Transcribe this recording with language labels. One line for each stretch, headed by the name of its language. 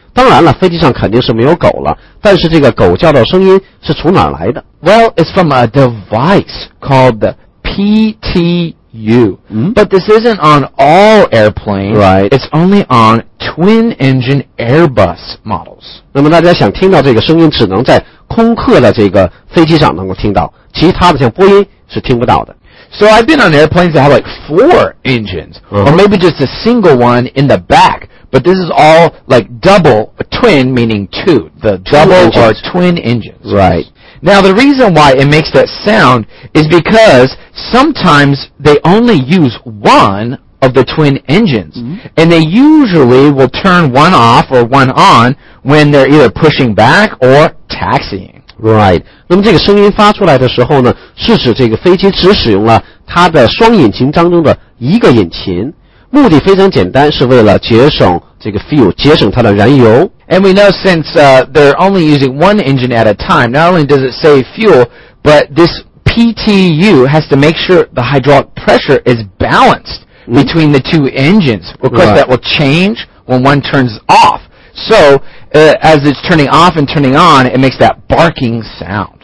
Chinese: 当然了，飞机上肯定是没有狗了，但是这个狗叫的声音是从哪来的？
English: Well, it's from a device called the PTU. But this isn't on all airplanes. Right. It's only on twin-engine Airbus models.
Chinese: 那么大家想听到这个声音只能在空客的这个飞机上能够听到，其他的像波音是听不到的。
English: So I've been on airplanes that have like four engines, or maybe just a single one in the back. But this is all like double, twin meaning two. The double or twin engines. Right. Now the reason why it makes that sound is because sometimes they only use one of the twin engines. And they usually will turn one off or one on when they're either pushing back or taxiing. Right.
Chinese: 那么这个声音发出来的时候呢，是指这个飞机只使用了它的双引擎当中的一个引擎。目的非常简单，是为了节省这个 fuel， 节省它的燃油。
English: And we know since they're only using one engine at a time, not only does it save fuel, but this PTU has to make sure the hydraulic pressure is balanced between the two engines, because that will change when one turns off. So, as it's turning off and turning on, it makes that barking sound.